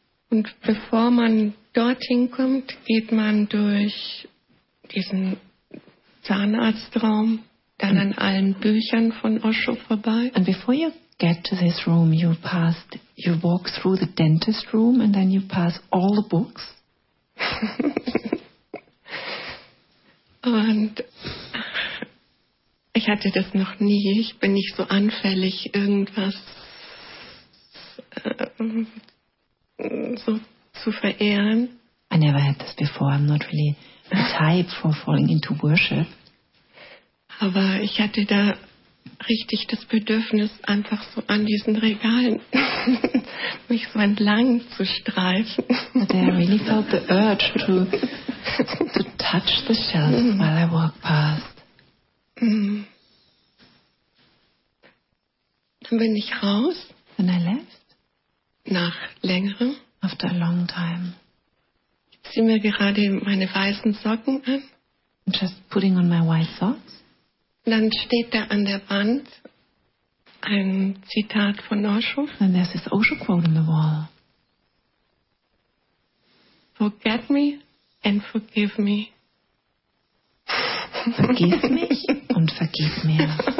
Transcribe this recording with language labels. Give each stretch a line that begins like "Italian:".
German: Und bevor man dorthin kommt, geht man durch diesen Zahnarztraum, dann an allen Büchern von Osho vorbei.
English: And before you get to this room, you walk through the dentist room and then you pass all the books.
German: Und ich hatte das noch nie, ich bin nicht so anfällig, irgendwas so zu verehren.
English: I never had this before. I'm not really the type for falling into worship.
German: Aber ich hatte da richtig das Bedürfnis, einfach so an diesen Regalen mich so entlang zu streifen.
English: But I really felt the urge to touch the shelves while I walked past.
German: Dann bin ich raus.
English: Then I left.
German: Nach längerem.
English: After a long time.
German: Ich zieh mir gerade meine weißen Socken an.
English: I'm just putting on my white socks.
German: Dann steht da an der Wand ein Zitat von Osho.
English: And there's this Osho quote on the wall. Forget me and forgive me.
German: Vergiss mich und vergib mir.